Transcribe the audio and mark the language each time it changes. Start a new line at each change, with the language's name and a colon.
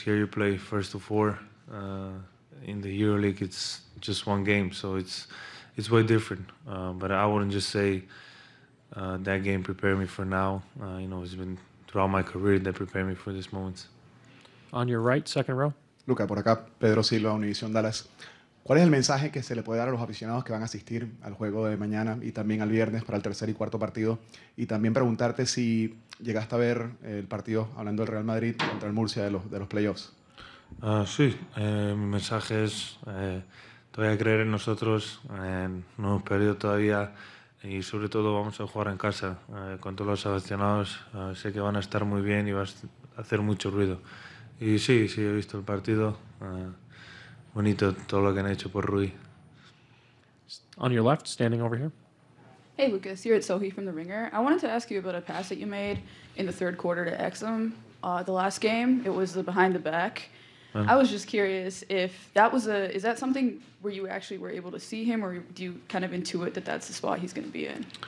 English: Here you play first of four. In the EuroLeague, it's just one game, so it's way different. But I wouldn't just say that game prepared me for now. You know, it's been throughout my career that prepared me for this moment. On your right, second row.
Spanish: Luka, por acá, Pedro Silva, Univision Dallas. ¿Cuál es el mensaje que se le puede dar a los aficionados que van a asistir al juego de mañana y también al viernes para el tercer y cuarto partido? Y también preguntarte si llegaste a ver el partido, hablando del Real Madrid, contra el Murcia de los playoffs. Sí, mi mensaje es todavía creer en nosotros. No hemos perdido todavía. Y sobre todo vamos a jugar en casa con todos los aficionados. Sé que van a estar muy bien y va a hacer mucho ruido. Y sí, sí, he visto el partido. Bonito todo lo que han hecho por Rui.
English: On your left, standing over here. Hey, Lucas, you're at Sohi from The Ringer. I wanted to ask you about a pass that you made in the third quarter to Exum. The last game, it was the behind the back. I was just curious if that was is that something where you actually were able to see him, or do you kind of intuit that that's the spot he's going to be in?